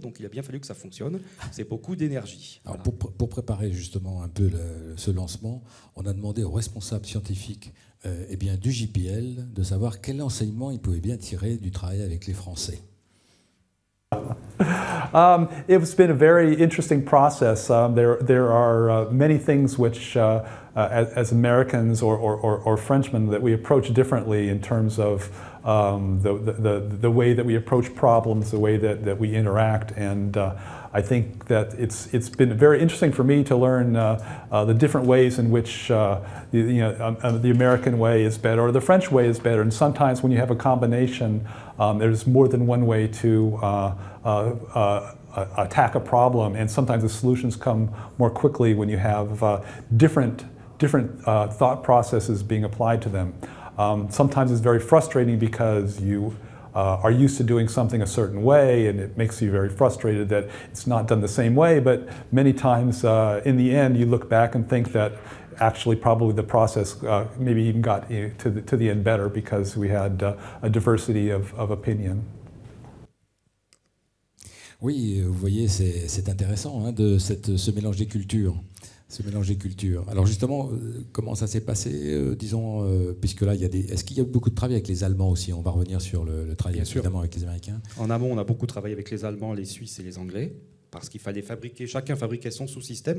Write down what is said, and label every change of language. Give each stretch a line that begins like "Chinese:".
French: Donc, il a bien fallu que ça fonctionne. C'est beaucoup d'énergie. Voilà. Alors pour préparer justement un peu ce lancement, on a demandé aux responsables scientifiques du JPL de savoir quel enseignement ils pouvaient bien tirer du travail avec les Français.
English: It has been a very interesting process. There are many things which, as Americans or Frenchmen, that we approach differently in terms of the way that we approach problems, the way that we interact. And I think that it's been very interesting for me to learn the different ways in which the American way is better or the French way is better. And sometimes when you have a combination, there's more than one way to attack a problem, and sometimes the solutions come more quickly when you have different thought processes being applied to them. Sometimes it's very frustrating because you are used to doing something a certain way, and it makes you very frustrated that it's not done the same way, but many times in the end you look back and think that actually probably the process maybe even got to the end better because we had a diversity of opinion.
French: Oui, vous voyez, c'est intéressant hein, de ce mélange des cultures. Ce mélange des cultures. Alors justement, comment ça s'est passé, disons, puisque là, est-ce qu'il y a beaucoup de travail avec les Allemands aussi? On va revenir sur le travail, évidemment, avec les Américains. En amont, on a beaucoup travaillé avec les Allemands, les Suisses et les Anglais, parce qu'il fallait fabriquer, chacun fabriquait son sous-système.